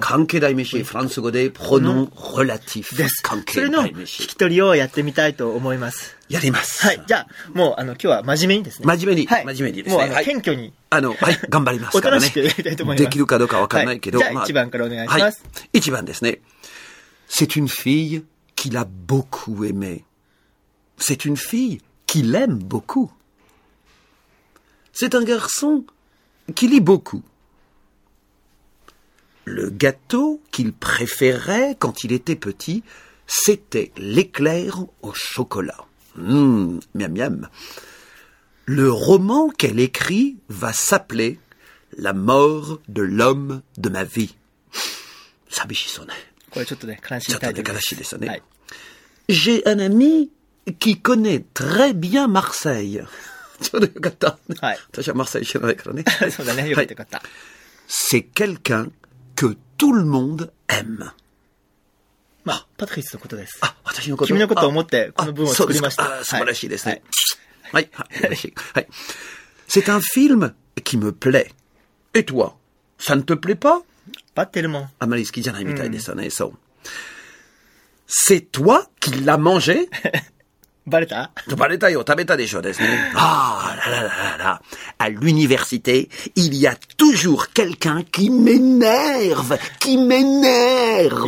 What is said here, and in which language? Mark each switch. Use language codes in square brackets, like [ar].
[ja] 関係代名詞、フランス語でプロノンレラティフです。関係代名詞、それの聞き取りをやってみたいと思います。やります。はい、じゃあもう今日は真面目にですね。真面目に、はい、真面目にですね。もう謙虚に。はい、頑張りますからね。できるかどうか分からないけど、はい、じゃあ1番からお願いします。はい、 1番ですね。 [fr] C'est une fille qu'il a beaucoup aimé. C'est une fille qu'il aime beaucoup. C'est un garçon qui lit beaucoup. Le gâteau qu'il préférait quand il était petit, c'était l'éclair au chocolat. Miam miam. Le roman qu'elle écrit va s'appeler « La mort de l'homme de ma vie ». Ça me chissonne. [ja] ちょっとね、悲しいですよね。はい。 [fr] J'ai un ami qui connaît très bien Marseille. [ja] ちょうどよかった。はい。私はマーセイユ知らないからね。そうだね、よかった、よかった。 [fr] C'est quelqu'un que tout le monde aime. [ja] まあ、パトリスのことです。あ、私のこと。君のことを思って、この文を作りました。あ、素晴らしいですね。はいはい、はい。 [fr] C'est un film qui me plaît. Et toi? Ça ne te plaît pas? Pas tellement. [ja] あまり好きじゃないみたいですよね、そう。 [fr] C'est toi qui l'as mangé? [ja] バレた? バレたよ、食べたでしょですね。 ah, là, là, là, là. [fr] À l'université, il y a toujours quelqu'un qui m'énerve, qui m'énerve.